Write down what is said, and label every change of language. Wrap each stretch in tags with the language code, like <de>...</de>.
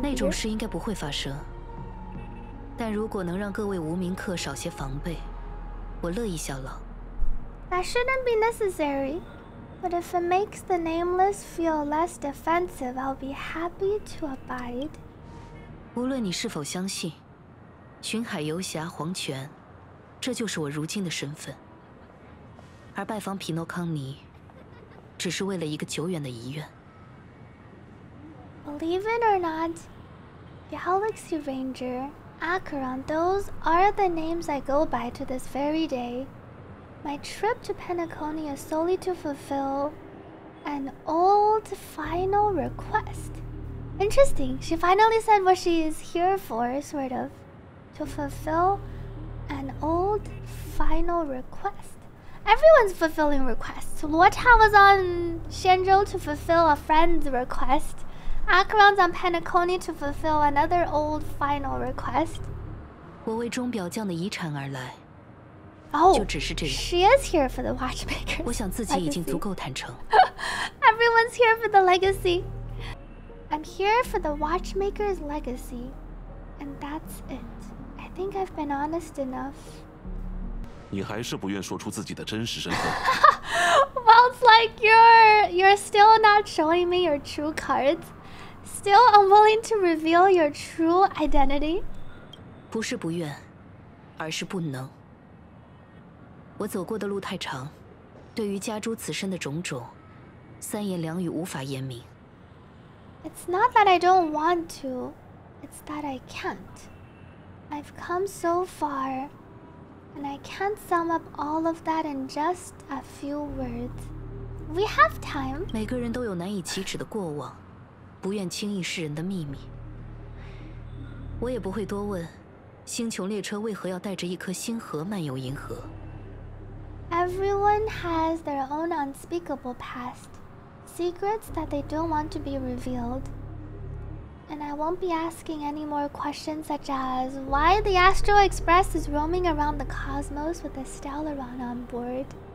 <zh>那种事应该不会发生，但如果能让各位无名客少些防备，我乐意效劳。</zh> <en>That shouldn't be necessary, but if it makes the nameless feel less defensive, I'll be happy to abide.</en> <zh>无论你是否相信，巡海游侠黄泉，这就是我如今的身份。而拜访匹诺康尼，只是为了一个久远的遗愿。</zh> <en>Believe it or not, Galaxy Ranger, Acheron, those are the names I go by to this very day. My trip to Penacony is solely to fulfill an old final request. Interesting, she finally said what she is here for, sort of. To fulfill an old final request. Everyone's fulfilling requests. Luocha was on Xianzhou to fulfill a friend's request. Acheron's on Penacony to fulfill another old final request.</en> <zh>我为钟表匠的遗产而来。</zh> <en>Oh,</en> <zh>就只是这样。</zh> <en>She is here for the watchmaker.</en> <zh>我想自己已经足够坦诚。</zh> <en>Everyone's here for the legacy. I'm here for the watchmaker's legacy. And that's it. I think I've been honest enough.</en> <zh>你还是不愿说出自己的真实身份。</zh> <en>Well, it's like you're still not showing me your true cards. Still unwilling to reveal your true identity.</en> <zh>不是不愿，而是不能。我走过的路太长，对于家主此身的种种，三言两语无法言明。</zh> <en>It's not that I don't want to. It's that I can't. I've come so far. And I can't sum up all of that in just a few words. We have time.</en> <zh>每个人都有难以启齿的过往，不愿轻易示人的秘密。我也不会多问，星穹列车为何要带着一颗星核漫游银河。</zh> <en>Everyone has their own unspeakable past, secrets that they don't want to be revealed. And I won't be asking any more questions such as why the Astro Express is roaming around the cosmos with a Stellaron on board.</en>